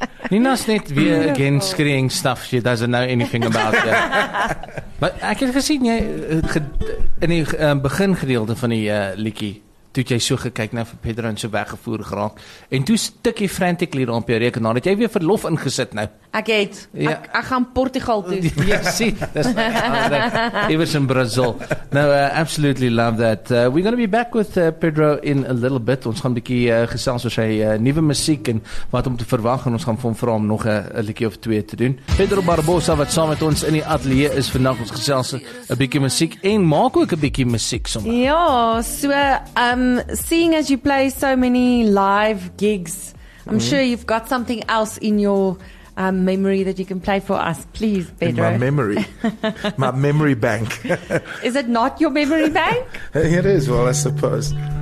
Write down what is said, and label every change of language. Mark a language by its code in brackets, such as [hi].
[en] Nina's [af] net weer [en] again screaming stuff she doesn't know anything about. Yeah. But [af] ek het gesien jy in die begin gedeelte van die liedjie toe jy so gekyk na vir Pedro en so weggevoer geraak. En toe stik jy [en] frantically [af] op jou rekenaar. Het jy weer verlof ingesit nou? Ek het. Ja. Ek gaan Portugal toe. Ja, sien. Dis iewers in Brazil. [en] Now, absolutely love that. We're going to be back with Pedro in a little bit. [af] Ons gaan 'n bietjie gesels oor sy nuwe musiek en wat om te verwag. En ons gaan vir hom vra om nog 'n liedjie of twee te doen. Pedro Barbosa wat saam met ons in die ateljee is vandag. Ons gesels 'n bietjie musiek en maak ook 'n bietjie musiek sommer. [en] Ja, so seeing as you play so many live gigs, I'm sure you've got something else in your memory that you can play for us. Please, Pedro. In my memory. My memory bank. Is it not your memory bank? It is, well, I suppose.